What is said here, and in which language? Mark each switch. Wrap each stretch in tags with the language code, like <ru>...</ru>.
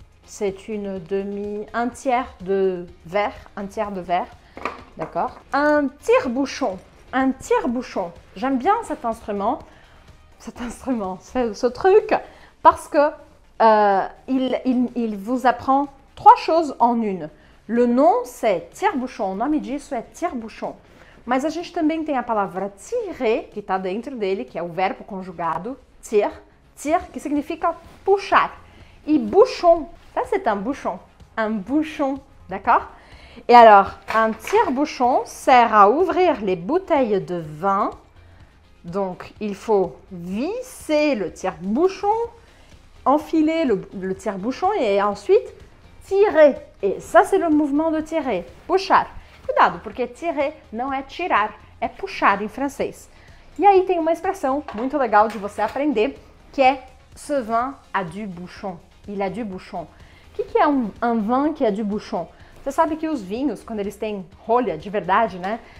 <fr>C'est une demi, un tiers de verre, un tiers de verre. D'accord. Un tire-bouchon. Un tire-bouchon. J'aime bien cet instrument. Cet instrument, ce truc. Parce que il vous apprend trois choses en une. Le nom, c'est tire-bouchon.</fr> <pt>O nome disso é tire-bouchon. Mas a gente também tem a palavra tirer, que está dentro dele, que é o verbo conjugado. Tire,</pt> <fr>tire, qui signifie pushar. Et bouchon, ça c'est un bouchon. Un bouchon, d'accord? Et alors, un tire-bouchon sert à ouvrir les bouteilles de vin. Donc, il faut visser le tire-bouchon, enfiler le tire-bouchon et ensuite tirer. Et ça, c'est le mouvement de tirer, pushar.</fr> <pt>Cuidado, porque tirer não é tirar, é puxar em francês. E aí tem uma expressão muito legal de você aprender, que é</pt> <fr>ce vin a du bouchon.</fr> <pt>Il a du bouchon. O que é um vin que a du bouchon? Você sabe que os vinhos, quando eles têm rolha de verdade, né?</pt>